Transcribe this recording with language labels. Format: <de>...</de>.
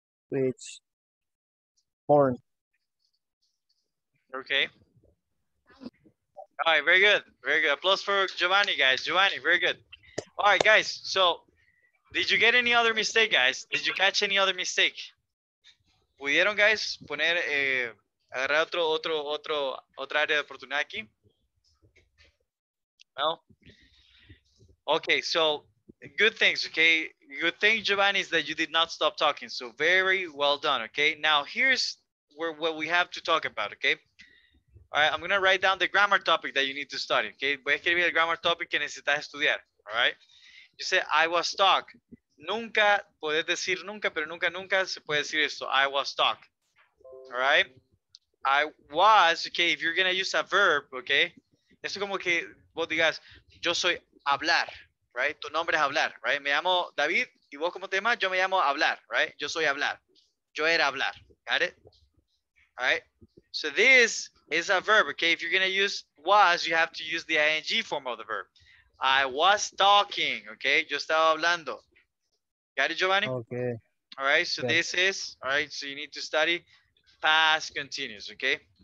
<en>Which born. Okay. All right, very good. Very good. Applause for Giovanni, guys. Giovanni, very good. All right, guys. So did you get any other mistake, guys? Did you catch any other mistake?</en> <es>¿Pudieron, guys, poner agarrar otra área de oportunidad aquí?</es> <en>No? Okay, so good things, okay. Good thing, Giovanni, is that you did not stop talking. So very well done, okay? Now, here's where what we have to talk about, okay? All right, I'm going to write down the grammar topic that you need to study, okay?</en> <es>Voy a escribir el grammar topic que necesitas estudiar,</es> <en>all right? You say, I was talk.</en> <es>Nunca, puedes decir nunca, pero nunca, nunca se puede decir esto.</es> <en>I was talk, all right? I was, okay, if you're going to use a verb, okay?</en> <es>Es como que vos digas, yo soy hablar. Right, tu nombre es hablar, right? Me llamo David, y vos como te llamas, yo me llamo hablar, right? Yo soy hablar, yo era hablar, got it?</es> <en>All right, so this is a verb, okay? If you're gonna use was, you have to use the ing form of the verb. I was talking, okay?</en> <es>Yo estaba hablando.</es> <en>Got it, Giovanni? Okay. All right, so okay. This is, all right, so you need to study past continuous, okay?</en>